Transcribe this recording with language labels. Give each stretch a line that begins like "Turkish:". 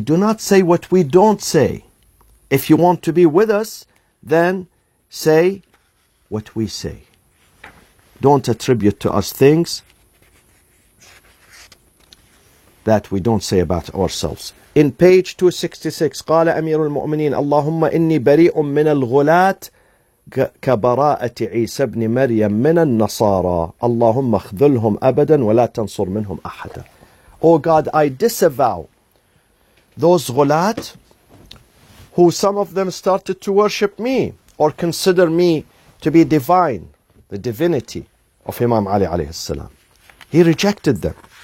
English: Do not say what we don't say. If you want to be with us, then say what we say. Don't attribute to us things that we don't say about ourselves. In page 266,
Arabic: قال أمير المؤمنين اللهم إني بريء من الغلاة كبراءة عيسى بن مريم من النصارى اللهم اخذلهم أبدا ولا تنصر منهم أحدا.
English: Oh God, I disavow those غلات who some of them started to worship me or consider me to be divine, the divinity of Imam Ali
Arabic: عليه السلام.
English: He rejected them.